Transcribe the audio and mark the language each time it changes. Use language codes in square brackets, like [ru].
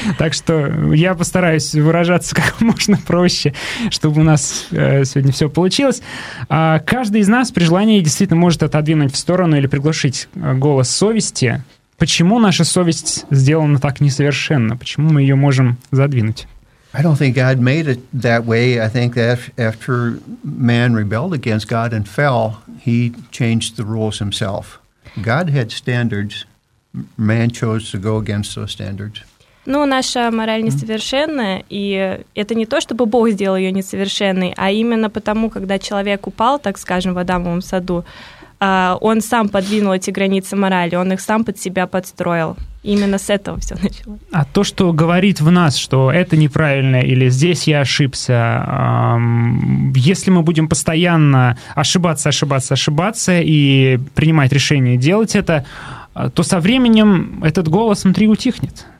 [ru] Так что я постараюсь выражаться как можно проще, чтобы у нас сегодня все получилось. Каждый из нас при желании действительно может отодвинуть в сторону или приглушить голос совести. Почему наша совесть сделана так несовершенно? Почему мы ее можем задвинуть? [en] I don't think God made it that way. I think that after man rebelled against God and fell, he changed the rules himself. God had standards. Man chose to go against those standards. [ru] Ну, наша мораль несовершенная, и это не то, чтобы Бог сделал ее несовершенной, а именно потому, когда человек упал, так скажем, в Адамовом саду, он сам подвинул эти границы морали, он их сам под себя подстроил. Именно с этого все началось. А то, что говорит в нас, что это неправильно или здесь я ошибся, если мы будем постоянно ошибаться и принимать решение делать это, то со временем этот голос внутри утихнет.